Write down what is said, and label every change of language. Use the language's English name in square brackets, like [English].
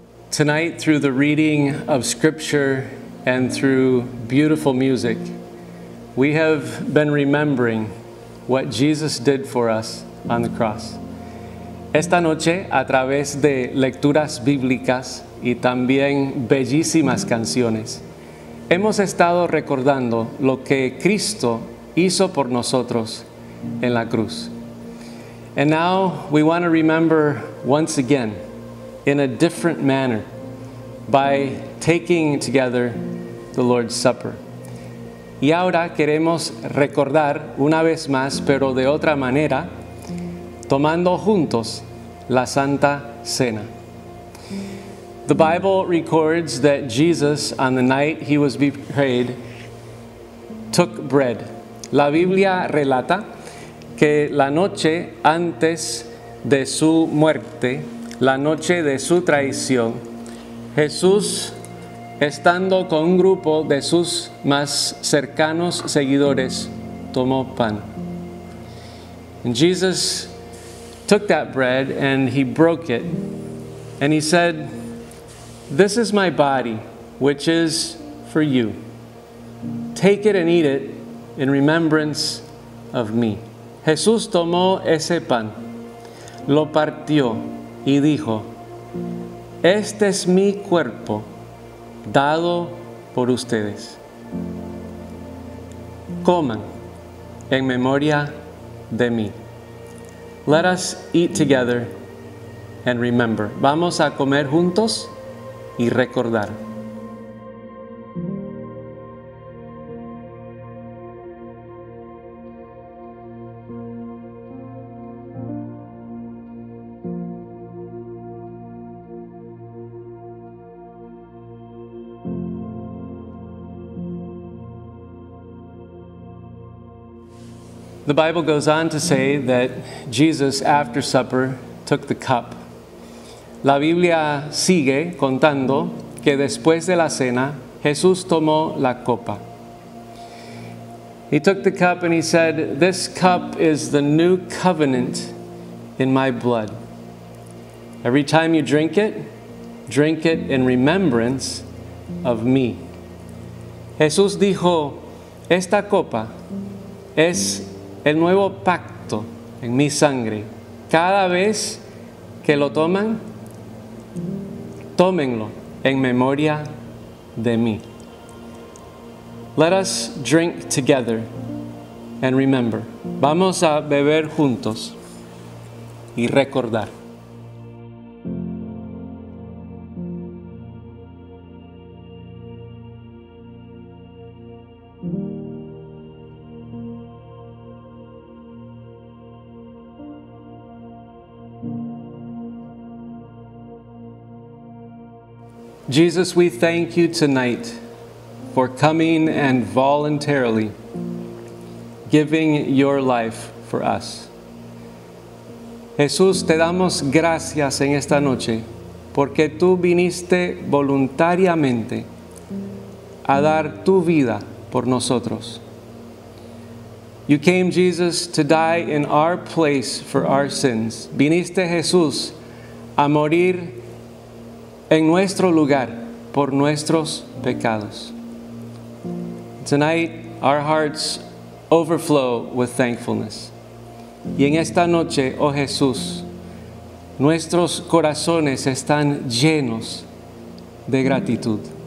[English] tonight through the reading of scripture and through beautiful music, we have been remembering what Jesus did for us on the cross. [Spanish] Esta noche, a través de lecturas bíblicas y también bellísimas canciones, hemos estado recordando lo que Cristo hizo por nosotros en la cruz. [English] And now we want to remember once again, in a different manner, by taking together the Lord's Supper. [Spanish] Y ahora queremos recordar una vez más, pero de otra manera, tomando juntos la Santa Cena. [English] The Bible records that Jesus, on the night he was betrayed, took bread. [Spanish] La Biblia relata que la noche antes de su muerte, la noche de su traición, Jesús, estando con un grupo de sus más cercanos seguidores, tomó pan. [English] And Jesus took that bread and he broke it. And he said, "This is my body, which is for you. Take it and eat it in remembrance of me." [Spanish] Jesús tomó ese pan, lo partió y dijo, "Este es mi cuerpo dado por ustedes. Coman en memoria de mí." [English] Let us eat together and remember. [Spanish] Vamos a comer juntos y recordar. [English] The Bible goes on to say that Jesus, after supper, took the cup. [Spanish] La Biblia sigue contando que después de la cena, Jesús tomó la copa. [English] He took the cup and he said, "This cup is the new covenant in my blood. Every time you drink it in remembrance of me." [Spanish] Jesús dijo, "Esta copa es el nuevo pacto en mi sangre. Cada vez que lo toman, tómenlo en memoria de mí." [English] Let us drink together and remember. [Spanish] Vamos a beber juntos y recordar. [English] Jesus, we thank you tonight for coming and voluntarily giving your life for us. [Spanish] Jesús, te damos gracias en esta noche porque tú viniste voluntariamente a dar tu vida por nosotros. [English] You came, Jesus, to die in our place for our sins. [Spanish] Viniste, Jesús, a morir en nuestro lugar, por nuestros pecados. [English] Tonight, our hearts overflow with thankfulness. [Spanish] Y en esta noche, oh Jesús, nuestros corazones están llenos de gratitud.